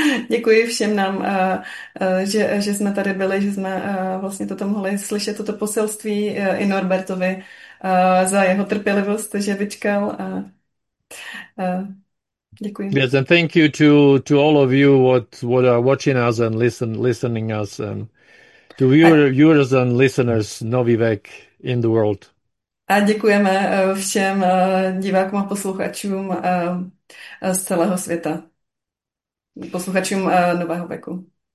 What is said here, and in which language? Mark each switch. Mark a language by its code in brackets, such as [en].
[cs] děkuji všem nám, že jsme tady byli, že jsme vlastně toto mohli slyšet, toto poselství i Norbertovi za jeho trpělivost, že vyčkal. Děkuji. [en] Yes, and thank you to all of you what are watching us and listening us and to viewers and listeners Nový Vek in the world. [cs] A děkujeme všem divákům a posluchačům z celého světa. Posluchačům Nového věku.